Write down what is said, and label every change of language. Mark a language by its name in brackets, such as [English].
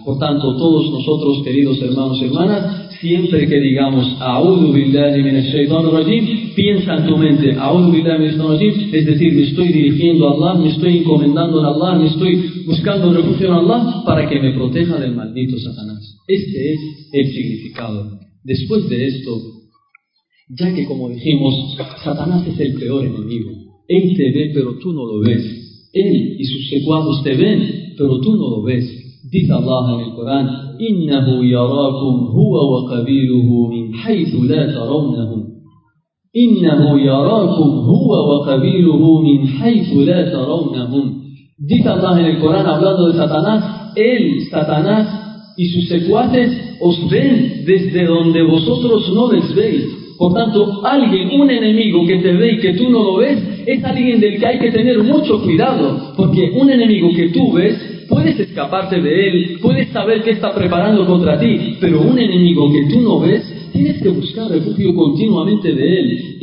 [Spanish] Por tanto, todos nosotros, queridos hermanos y hermanas, siempre que digamos [Arabic] a'udhu billahi minash shaitanir rajim, [Spanish] piensa en tu mente a'udhu billahi minash shaitanir rajim, es decir, me estoy dirigiendo a Allah, me estoy encomendando a Allah, me estoy buscando refugio en Allah para que me proteja del maldito Satanás. Este es el significado. Después de esto, ya que, como dijimos, Satanás es el peor enemigo, Él te ve, pero tú no lo ves. Él y sus secuaces te ven, pero tú no lo ves. Dice Allah en el Corán: [Arabic] إِنَّهُ يَرَاكُمْ هُوَ وَقَبِيلُهُ مِنْ حَيْثُ لَا تَرَوْنَهُمْ إِنَّهُ يَرَاكُمْ هُوَ وَقَبِيلُهُ مِنْ حَيْثُ لَا تَرَوْنَهُمْ. [Spanish] Dice Allah en el Corán, hablando de Satanás: Él, Satanás y sus secuaces os ven desde donde vosotros no les veis. Por tanto, alguien, un enemigo que te ve y que tú no lo ves, es alguien del que hay que tener mucho cuidado, porque un enemigo que tú ves, puedes escaparte de él, puedes saber qué está preparando contra ti, pero un enemigo que tú no ves, tienes que buscar refugio continuamente de él.